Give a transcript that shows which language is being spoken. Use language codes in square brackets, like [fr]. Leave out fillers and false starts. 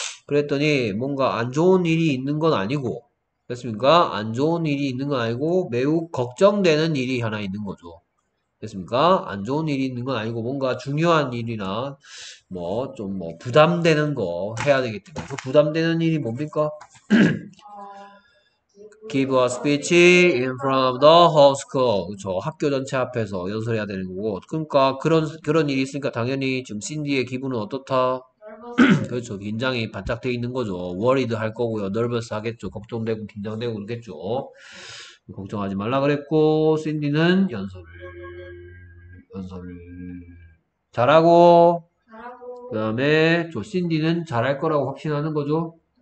[ko] 그랬더니 뭔가 안 좋은 일이 있는 건 아니고, 됐습니까? 안 좋은 일이 있는 건 아니고, 매우 걱정되는 일이 하나 있는 거죠. 됐습니까? 안 좋은 일이 있는 건 아니고, 뭔가 중요한 일이나, 뭐, 좀 뭐, 부담되는 거 해야 되기 때문에. 그 부담되는 일이 뭡니까? [en] Give a speech in front of the whole school. [ko] 그쵸. 학교 전체 앞에서 연설해야 되는 거고. 그러니까 그런 일이 있으니까 당연히 지금 신디의 기분은 어떻다? 그렇죠. 긴장이 바짝 돼 있는 거죠. Worried 할 거고요. Nervous 하겠죠. 걱정되고 긴장되고 그러겠죠. 걱정하지 말라 그랬고 신디는 연설을 잘하고 그다음에 저 신디는 잘할 거라고 확신하는 거죠.